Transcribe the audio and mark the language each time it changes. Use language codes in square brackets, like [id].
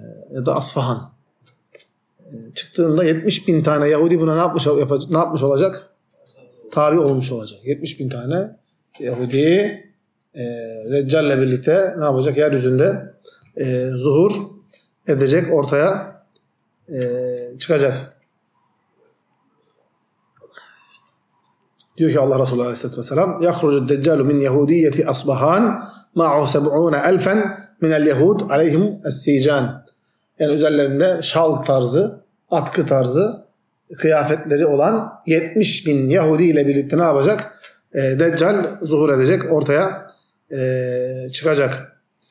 [tr] Ya da Asfahan. Çıktığında 70 bin tane Yahudi buna ne yapmış olacak? Tabi olmuş olacak. 70 bin tane Yahudi Deccal ile birlikte ne yapacak? Yeryüzünde zuhur edecek, ortaya çıkacak. Diyor ki Allah Resulü Aleyhisselatü Vesselam [ar] يَخْرُجُ الدَّجَّالُ مِنْ يَهُودِيَّةِ أَصْبَحَانْ مَعُوا سَبْعُونَ أَلْفًا مِنَ الْيَهُودِ عَلَيْهِمْ السِّيْجَانِ. [tr] Yani üzerlerinde şal tarzı, atkı tarzı kıyafetleri olan 70 bin Yahudi ile birlikte ne yapacak? Deccal zuhur edecek, ortaya çıkacak.